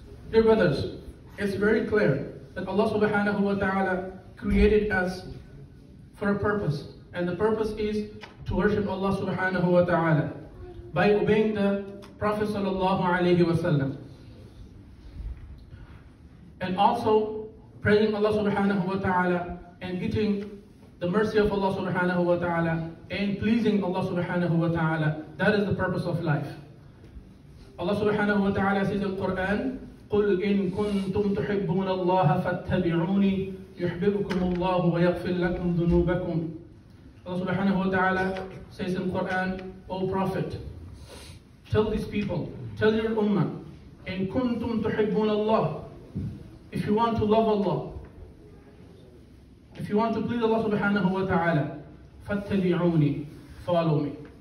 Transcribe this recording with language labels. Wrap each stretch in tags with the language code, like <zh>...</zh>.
<en>Dear brothers, it's very clear that Allah subhanahu wa ta'ala created us for a purpose, and the purpose is to worship Allah subhanahu wa ta'ala by obeying the Prophet sallallahu alayhi wa sallam, and also praising Allah subhanahu wa ta'ala and getting the mercy of Allah subhanahu wa ta'ala and pleasing Allah subhanahu wa ta'ala. That is the purpose of life. Allah subhanahu wa ta'ala says in Quran,</en> <ar>قُلْ إِن كُنْتُمْ تُحِبُّونَ اللَّهَ فَاتَّبِعُونِي يُحْبِبُكُمُ اللَّهُ وَيَغْفِرْ لَكُمْ ذُنُوبَكُمْ.</ar> <en>Allah subhanahu wa ta'ala says in Quran, O Prophet, tell these people, tell your ummah,</en> <ar>إِن كُنْتُمْ تُحِبُّونَ اللَّهَ.</ar> <en>If you want to love Allah, if you want to please Allah subhanahu wa ta'ala,</en> <ar>فَاتَّبِعُونِي,</ar> <en>follow me.</en>